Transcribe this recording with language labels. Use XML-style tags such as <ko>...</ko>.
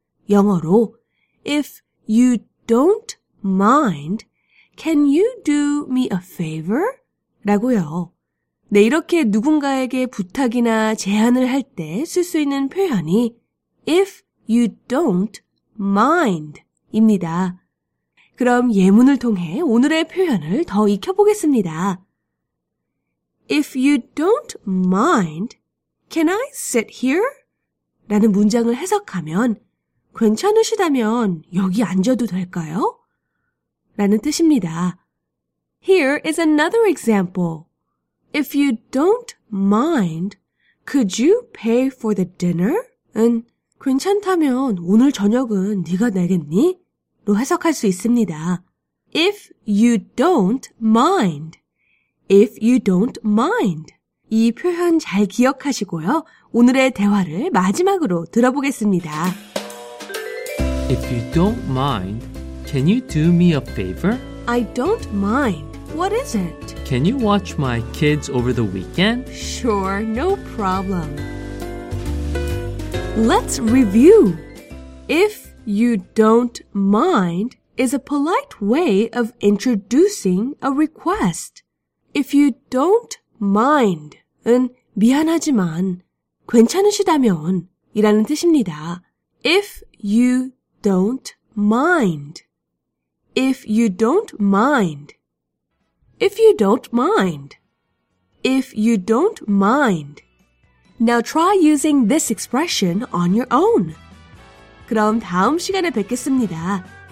<ko>영어로</ko> <en>If you don't mind, can you do me a favor?</en> <ko>라고요. 네, 이렇게 누군가에게 부탁이나 제안을 할 때 쓸 수 있는 표현이</ko> <en>If you don't mind</en> <ko>입니다. 그럼 예문을 통해 오늘의 표현을 더 익혀보겠습니다.</ko> <en>If you don't mind, can I sit here?</en> <ko>라는 문장을 해석하면 괜찮으시다면 여기 앉아도 될까요? 라는 뜻입니다.</ko> <en>Here is another example. If you don't mind, could you pay for the dinner?</en> <ko>은 괜찮다면 오늘 저녁은 네가 내겠니? 로 해석할 수 있습니다.</ko> <en>If you don't mind. If you don't mind.</en> <ko>이 표현 잘 기억하시고요. 오늘의 대화를 마지막으로 들어보겠습니다.</ko> <en>If you don't mind, can you do me a favor? I don't mind. What is it? Can you watch my kids over the weekend? Sure, no problem. Let's review. If you don't mind is a polite way of introducing a request. If you don't mind</en> <ko>은 미안하지만 괜찮으시다면 이라는 뜻입니다.</ko> <en>If you don't mind. If you don't mind. If you don't mind. If you don't mind. Now try using this expression on your own.</en> <ko>그럼 다음 시간에 뵙겠습니다.</ko>